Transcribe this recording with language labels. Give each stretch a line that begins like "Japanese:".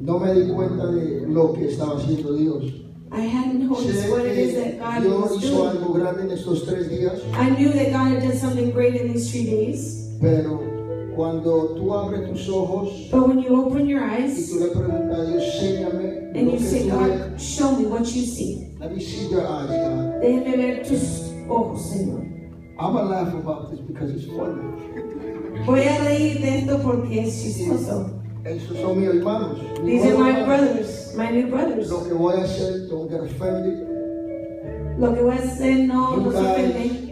Spanish: No me di cuenta de lo que estaba haciendo Dios.
English: I hadn't noticed what it is that God was doing.
Spanish: En estos 3 días.
English: I knew that God had done something great in these 3 days.
Spanish: Pero cuando tú abres tus ojos,
English: but when you open your eyes
Spanish: y tú le preguntas a Dios,
English: "Séñame and you say, God, show me what you see. Let me see your eyes, God.
Spanish: Déjame ver tus ojos, Señor."
English: I'm going to laugh about this because it's funny.
Spanish: Voy a reír de esto porque es chistoso. Esos son mis hermanos.
English: These are my brothers, my new brothers.
Spanish: Lo que voy a hacer,
English: don't get offended.
Spanish: Lo que voy a hacer, no, no se ofenden.